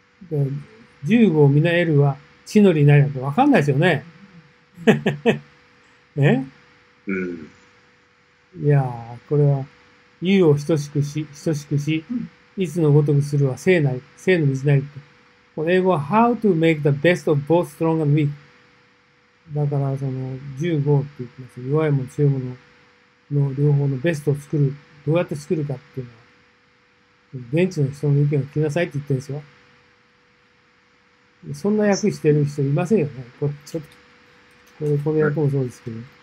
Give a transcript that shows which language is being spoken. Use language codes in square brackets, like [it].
[ja] で、十五を皆得るは、地の利なりなんて分かんないですよね。え？いやー、これは、有を等しくし、いつのごとくするは聖なり、聖の道なりって。これ英語は、 [en] How to make the best of both strong and weak。 [ja] だから、その、15って言ってます。弱いもの、強いものの両方のベストを作る。どうやって作るかっていうのは、現地の人の意見を聞きなさいって言ってるんですよ。そんな役してる人いませんよね。これ、ちょっと、この役もそうですけど。